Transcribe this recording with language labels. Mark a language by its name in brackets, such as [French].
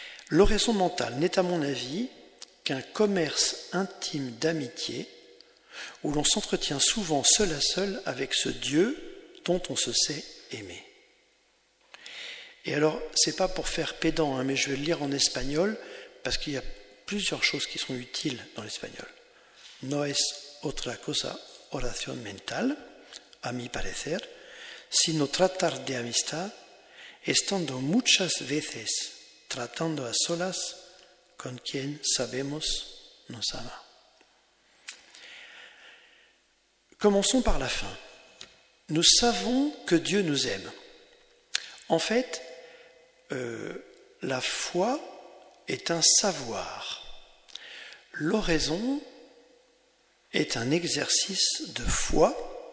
[French] L'oraison mentale n'est à mon avis qu'un commerce intime d'amitié où l'on s'entretient souvent seul à seul avec ce Dieu dont on se sait aimé. Et alors, c'est pas pour faire pédant, hein, mais je vais le lire en espagnol, parce qu'il y a plusieurs choses qui sont utiles dans l'espagnol. [Spanish] No es otra cosa oración mental, a mi parecer, sino tratar de amistad, estando muchas veces tratando a solas con quien sabemos nos ama. [French] Commençons par la fin. Nous savons que Dieu nous aime. En fait, la foi est un savoir. L'oraison est un exercice de foi.